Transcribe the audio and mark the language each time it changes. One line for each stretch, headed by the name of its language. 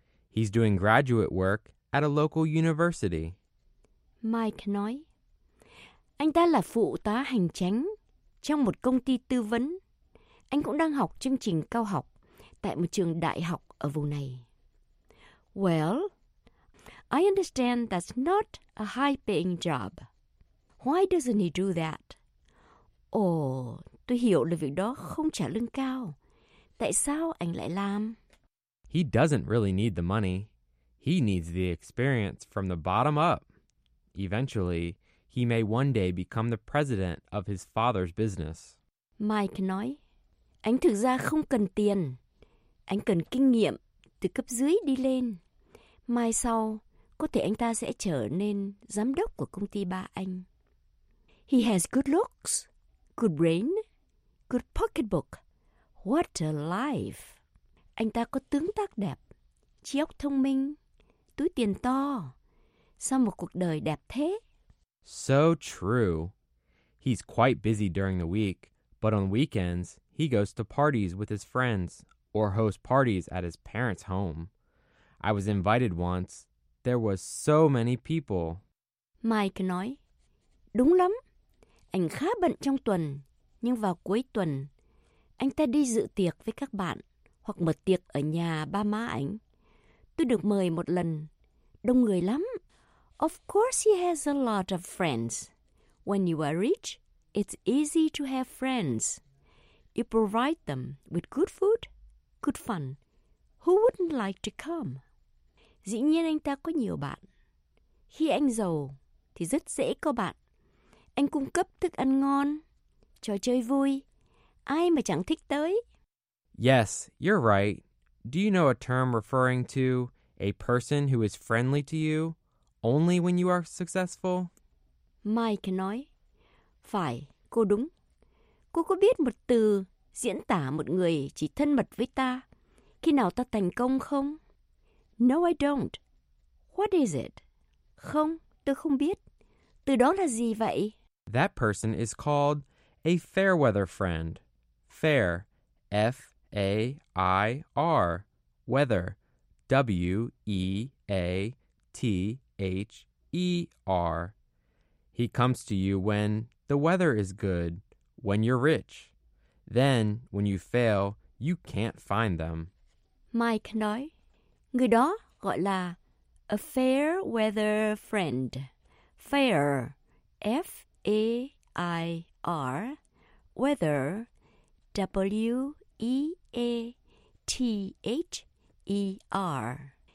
English: He's doing graduate work at a local university.
Vietnamese: Mike nói, Anh ta là phụ tá hành chánh trong một công ty tư vấn. Anh cũng đang học chương trình cao học tại một trường đại học ở vùng này.
English: Well, I understand that's not a high-paying job. Why doesn't he do that?
Vietnamese: Oh, tôi hiểu là việc đó không trả lương cao. Tại sao anh lại làm?
English: He doesn't really need the money. He needs the experience from the bottom up. Eventually, he may one day become the president of his father's business.
Vietnamese: Mike nói, anh thực ra không cần tiền. Anh cần kinh nghiệm từ cấp dưới đi lên. Mai sau, có thể anh ta sẽ trở nên giám đốc của công ty ba anh.
English: He has good looks, good brain, good pocketbook. What a life!
Vietnamese: Anh ta có tướng tác đẹp, trí óc thông minh, túi tiền to. Sao một cuộc đời đẹp thế?
English: So true. He's quite busy during the week, but on weekends, he goes to parties with his friends or hosts parties at his parents' home. I was invited once. There was so many people.
Vietnamese: Mike nói, đúng lắm. Anh khá bận trong tuần, nhưng vào cuối tuần, anh ta đi dự tiệc với các bạn hoặc mở tiệc ở nhà ba má anh. Tôi được mời một lần. Đông người lắm.
English: Of course he has a lot of friends. When you are rich, it's easy to have friends. You provide them with good food, good fun. Who wouldn't like to come?
Vietnamese: Dĩ nhiên anh ta có nhiều bạn. Khi anh giàu, thì rất dễ có bạn. Anh cung cấp thức ăn ngon, trò chơi vui. Ai mà chẳng thích tới?
English: Yes, you're right. Do you know a term referring to a person who is friendly to you only when you are successful?
Vietnamese: Mike nói, phải, cô đúng. Cô có biết một từ diễn tả một người chỉ thân mật với ta khi nào ta thành công không?
English: No, I don't. What is it?
Vietnamese: Không, tôi không biết. Từ đó là gì vậy?
English: That person is called a fair weather friend. Fair, F-A-I-R, weather, W-E-A-T-H-E-R. He comes to you when the weather is good, when you're rich. Then, when you fail, you can't find them.
Vietnamese: Mike nói, người đó gọi là
English: a fair weather friend. Fair, F-A-I-R, weather, W-E-A-T-H-E-R.